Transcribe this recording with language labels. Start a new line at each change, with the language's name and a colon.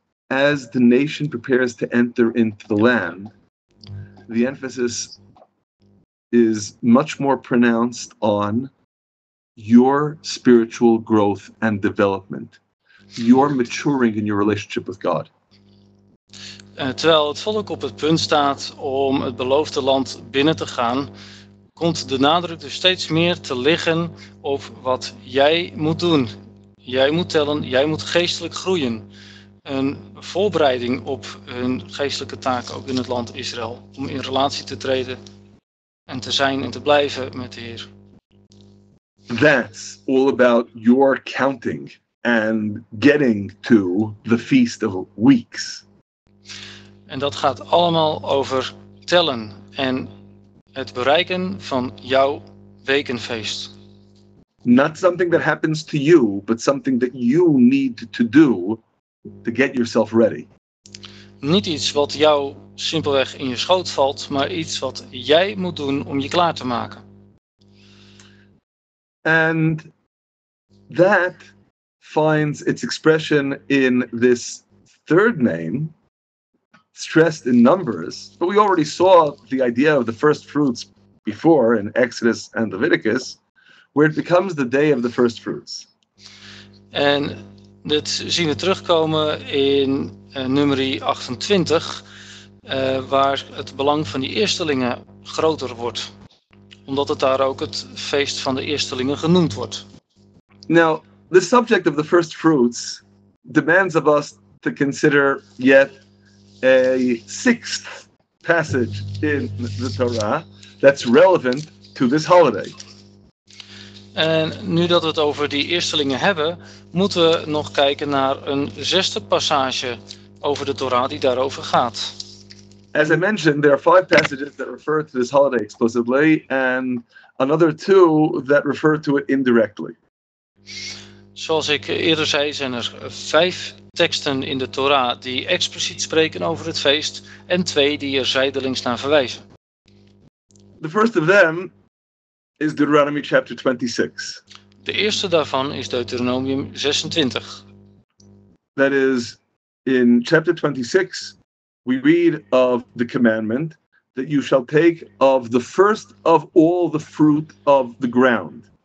English: As the nation prepares to enter into the land, the emphasis is much more pronounced on your spiritual growth and development, your maturing in your relationship with God.
Dutch: Terwijl het volk op het punt staat om het beloofde land binnen te gaan, komt de nadruk dus steeds meer te liggen op wat jij moet doen. Jij moet tellen, jij moet geestelijk groeien. Een voorbereiding op hun geestelijke taak ook in het land Israël. Om in relatie te treden en te zijn en te blijven met de Heer.
English: That's all about your counting and getting to the Feast of Weeks.
Dutch: En dat gaat allemaal over tellen en het bereiken van jouw wekenfeest.
English: Not something that happens to you, but something that you need to do to get yourself ready.
Dutch: Niet iets wat jou simpelweg in je schoot valt, maar iets wat jij moet doen om je klaar te maken.
English: And that finds its expression in this third name, stressed in Numbers, but we already saw the idea of the first fruits before in Exodus and Leviticus, where it becomes the day of the first fruits.
Dutch: En dit zien we terugkomen in Numeri 28, waar het belang van die eerstelingen groter wordt, omdat het daar ook het feest van de eerstelingen genoemd wordt.
English: Now, the subject of the first fruits demands of us to consider yet a sixth passage in the Torah that's relevant to this holiday.
Dutch: En nu dat we het over die eerstelingen hebben, moeten we nog kijken naar een zesde passage over de Torah die daarover gaat.
English: As I mentioned, there are five passages that refer to this holiday explicitly, and Another two that refer to it indirectly.
Dutch: Zoals ik eerder zei, zijn er 5 teksten in de Torah die expliciet spreken over het feest en 2 die er zijdelings naar verwijzen.
English: The first of them is Deuteronomy chapter 26.
Dutch: De eerste daarvan is Deuteronomium 26.
English: That is, in chapter 26, we read of the commandment that you shall take of the first of all the fruit of the ground.